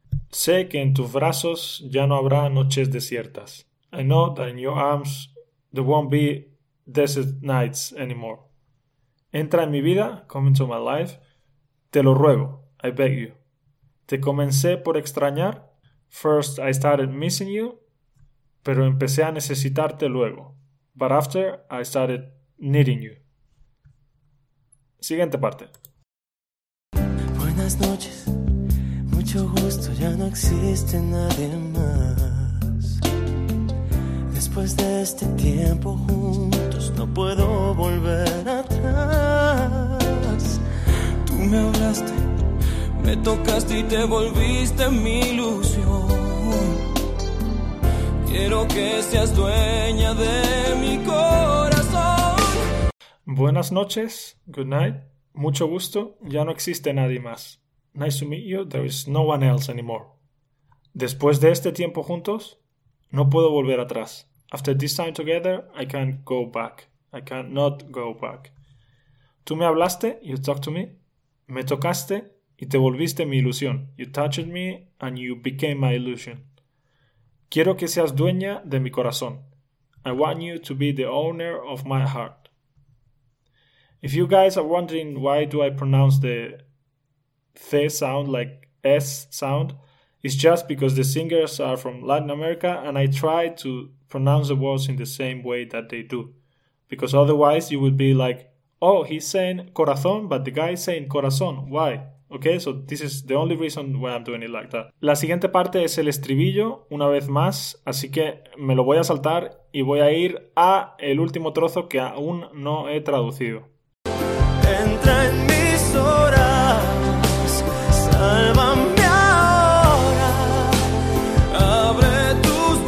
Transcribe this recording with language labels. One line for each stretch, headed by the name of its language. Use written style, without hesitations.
Spanish: Sé que en tus brazos ya no habrá noches desiertas.
English: I know that in your arms there won't be desert nights anymore.
Spanish: Entra en mi vida,
English: come into my life,
Spanish: te lo ruego,
English: I beg you.
Spanish: Te comencé por extrañar,
English: first I started missing you,
Spanish: pero empecé a necesitarte luego.
English: But after, I started needing you.
Spanish: Siguiente parte. Buenas noches, mucho gusto, ya no existe nadie más. Después de este tiempo juntos no puedo volver atrás. Tú me hablaste, me tocaste y te volviste mi ilusión. Quiero que seas dueña de mi corazón. Buenas noches,
English: good night.
Spanish: Mucho gusto, ya no existe nadie más.
English: Nice to meet you, there is no one else anymore.
Spanish: Después de este tiempo juntos, no puedo volver atrás.
English: After this time together, I can't go back. I cannot go back.
Spanish: Tú me hablaste,
English: you talked to me.
Spanish: Me tocaste y te volviste mi ilusión.
English: You touched me and you became my illusion.
Spanish: Quiero que seas dueña de mi corazón.
English: I want you to be the owner of my heart. If you guys are wondering why do I pronounce the th sound like s sound, it's just because the singers are from Latin America and I try to pronounce the words in the same way that they do. Because otherwise you would be like, oh, he's saying corazón, but the guy is saying corazón. Why? Okay, so this is the only reason why I'm doing it like that.
Spanish: La siguiente parte es el estribillo, una vez más, así que me lo voy a saltar y voy a ir a el último trozo que aún no he traducido. Entra en mis horas, sálvame ahora, abre tu